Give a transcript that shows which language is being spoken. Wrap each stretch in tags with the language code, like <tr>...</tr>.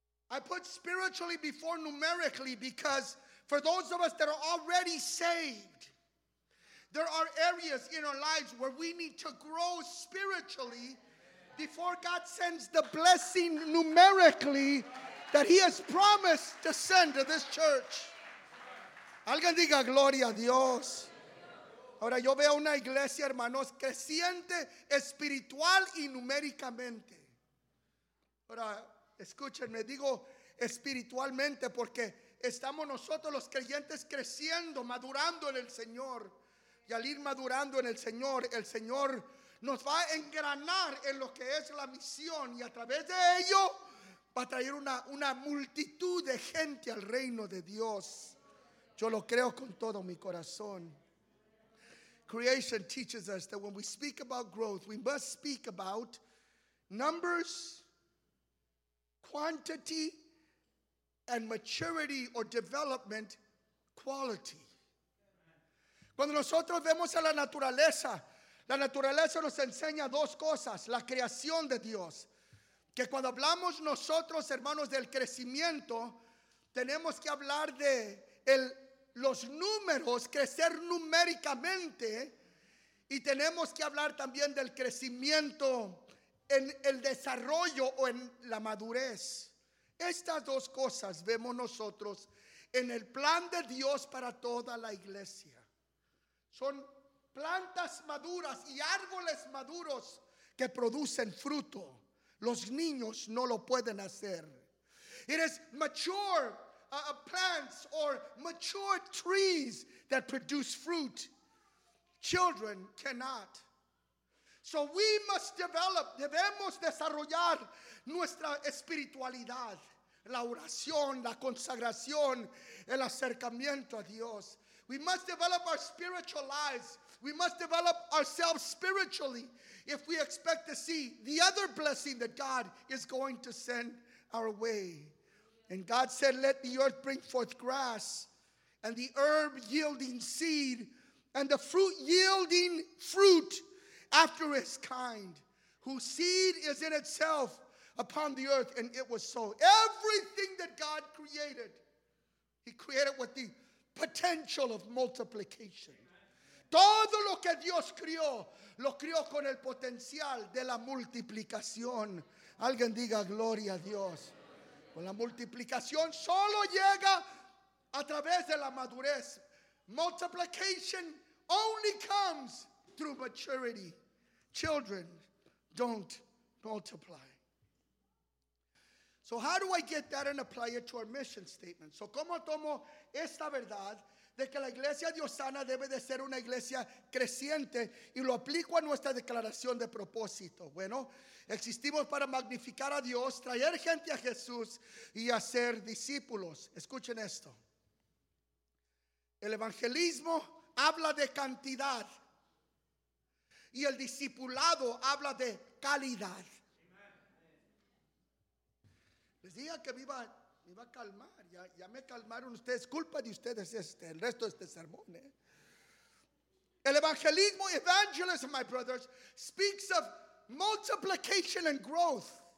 <en>I put spiritually before numerically because for those of us that are already saved, There are areas in our lives where we need to grow spiritually before God sends the blessing numerically that he has promised to send to this church.</en> <es>Alguien diga gloria a Dios. Ahora yo veo una iglesia, hermanos, creciente espiritual y numéricamente. Ahora, escúchenme, digo espiritualmente porque estamos nosotros los creyentes creciendo, madurando en el Señor. Y al ir madurando en el Señor nos va a engranar en lo que es la misión. Y a través de ello va a traer una multitud de gente al reino de Dios. Yo lo creo con todo mi corazón.</es> <en>Creation teaches us that when we speak about growth, we must speak about numbers, quantity, and maturity or development quality.</en> <es>Cuando nosotros vemos a la naturaleza nos enseña dos cosas. La creación de Dios. Que cuando hablamos nosotros, hermanos, del crecimiento, tenemos que hablar de los números, crecer numéricamente. Y tenemos que hablar también del crecimiento en el desarrollo o en la madurez. Estas dos cosas vemos nosotros en el plan de Dios para toda la iglesia. Son plantas maduras y árboles maduros que producen fruto. Los niños no lo pueden hacer.</es> <en>It is mature plants or mature trees that produce fruit. Children cannot. So we must develop,</en> <es>debemos desarrollar nuestra espiritualidad, la oración, la consagración, el acercamiento a Dios.</es> <en>We must develop our spiritual lives. We must develop ourselves spiritually if we expect to see the other blessing that God is going to send our way. And God said, let the earth bring forth grass and the herb yielding seed and the fruit yielding fruit after its kind, whose seed is in itself upon the earth. And it was so. Everything that God created, he created with the potential of multiplication.</en> <es>Todo lo que Dios creó, lo creó con el potencial de la multiplicación. Alguien diga gloria a Dios. Con la multiplicación solo llega a través de la madurez.</es> <en>Multiplication only comes through maturity. Children don't multiply. So how do I get that and apply it to our mission statement?</en> <es>So cómo tomo esta verdad de que la iglesia diosana debe de ser una iglesia creciente y lo aplico a nuestra declaración de propósito. Bueno, existimos para magnificar a Dios, traer gente a Jesús y hacer discípulos. Escuchen esto. El evangelismo habla de cantidad y el discipulado habla de calidad. Les diga que viva. Me iba a calmar, ya me calmaron ustedes. Culpa de ustedes el resto de este sermón. El evangelismo,</es> <en>evangelism, my brothers, speaks of multiplication and growth.</en>